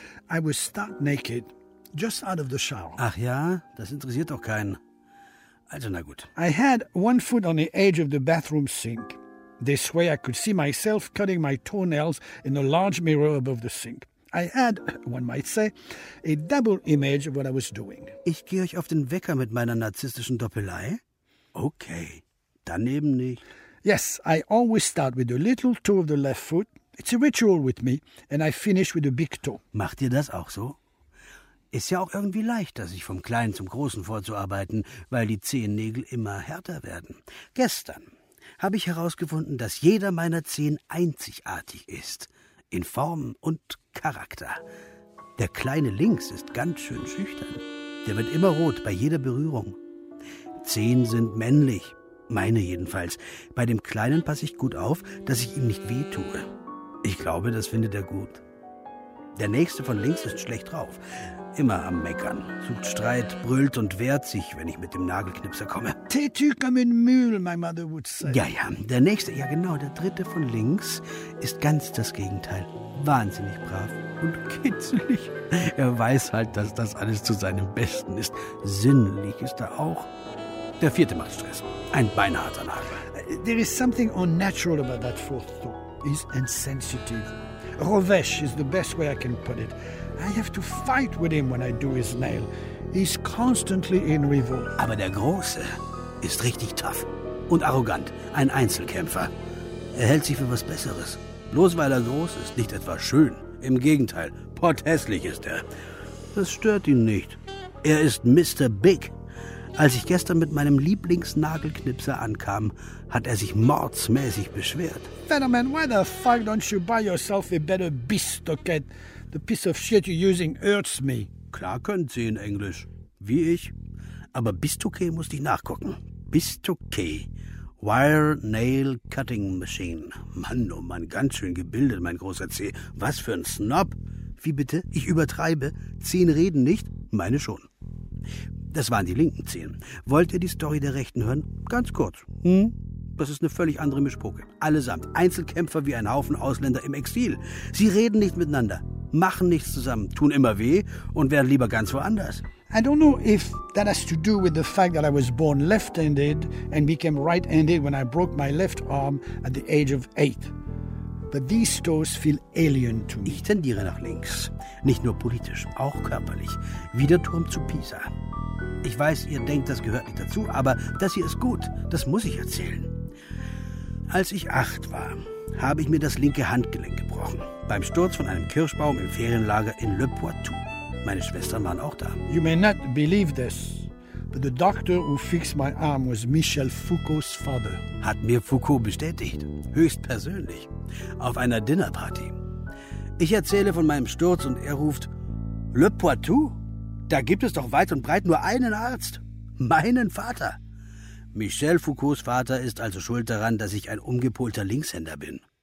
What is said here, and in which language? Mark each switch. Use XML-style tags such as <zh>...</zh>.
<en>I was stark naked, just out of the shower.</en> <de>Ach ja, das interessiert doch keinen. Also, na gut.</de> <en>I had one foot on the edge of the bathroom sink. This way I could see myself cutting my toenails in a large mirror above the sink. I had, one might say, a double image of what I was doing.</en> <de>Ich gehe euch auf den Wecker mit meiner narzisstischen Doppelei? Okay, daneben nicht.</de> <en>Yes, I always start with the little toe of the left foot. It's a ritual with me, and I finish with the big toe.</en> <de>Macht ihr das auch so? Ist ja auch irgendwie leichter, sich vom Kleinen zum Großen vorzuarbeiten, weil die Zehennägel immer härter werden. Gestern habe ich herausgefunden, dass jeder meiner Zehen einzigartig ist. In Form und Charakter. Der Kleine links ist ganz schön schüchtern. Der wird immer rot bei jeder Berührung. Zehen sind männlich, meine jedenfalls. Bei dem Kleinen passe ich gut auf, dass ich ihm nicht weh tue. Ich glaube, das findet er gut. Der Nächste von links ist schlecht drauf. Immer am Meckern. Sucht Streit, brüllt und wehrt sich, wenn ich mit dem Nagelknipser komme.</de> <fr>Têtu comme une mule,</fr> <en>my mother would say.</en> <de>Ja, ja. Der Nächste, ja genau, der Dritte von links ist ganz das Gegenteil. Wahnsinnig brav und kitzelig. Er weiß halt, dass das alles zu seinem Besten ist. Sinnlich ist er auch. Der Vierte macht Stress. Ein beinharter Nagel.</de> <en>There is something unnatural about that fourth toe. He's insensitive. Rovesch is the best way I can put it. I have to fight with him when I do his nail. He's constantly in revolt.</en> <de>Aber der Große ist richtig tough und arrogant. Ein Einzelkämpfer. Er hält sich für was Besseres. Bloß weil er groß ist, nicht etwa schön. Im Gegenteil, potthässlich ist er. Das stört ihn nicht. Er ist Mr. Big. Als ich gestern mit meinem Lieblingsnagelknipser ankam, hat er sich mordsmäßig beschwert.</de> <en>Fetterman, why the fuck don't you buy yourself a better bistocket? The piece of shit you're using hurts me.</en> <de>Klar könnt sie in Englisch. Wie ich. Aber Bistouquet musste ich nachgucken.</de> <en>Bistouquet. Wire Nail Cutting Machine.</en> <de>Mann, oh Mann, ganz schön gebildet, mein großer Zeh. Was für ein Snob. Wie bitte? Ich übertreibe. Zehen reden nicht? Meine schon. Das waren die linken Zehen. Wollt ihr die Story der Rechten hören? Ganz kurz. Das ist eine völlig andere Mischpoke. Allesamt Einzelkämpfer wie ein Haufen Ausländer im Exil. Sie reden nicht miteinander, machen nichts zusammen, tun immer weh und wären lieber ganz woanders.</de> <en>I don't know if that has to do with the fact that I was born left-handed and became right-handed when I broke my left arm at the age of 8. But these toes feel alien to me.</en> <de>Ich tendiere nach links. Nicht nur politisch, auch körperlich. Wie der Turm zu Pisa. Ich weiß, ihr denkt, das gehört nicht dazu, aber das hier ist gut. Das muss ich erzählen. Als ich 8 war, habe ich mir das linke Handgelenk gebrochen. Beim Sturz von einem Kirschbaum im Ferienlager in Le Poitou. Meine Schwestern waren auch da.</de> <en>You may not believe this, but the doctor who fixed my arm was Michel Foucault's father.</en> <de>Hat mir Foucault bestätigt. Höchstpersönlich. Auf einer Dinnerparty. Ich erzähle von meinem Sturz und er ruft, Le Poitou? Da gibt es doch weit und breit nur einen Arzt. Meinen Vater. Michel Foucaults Vater ist also schuld daran, dass ich ein umgepolter Linkshänder bin.</de>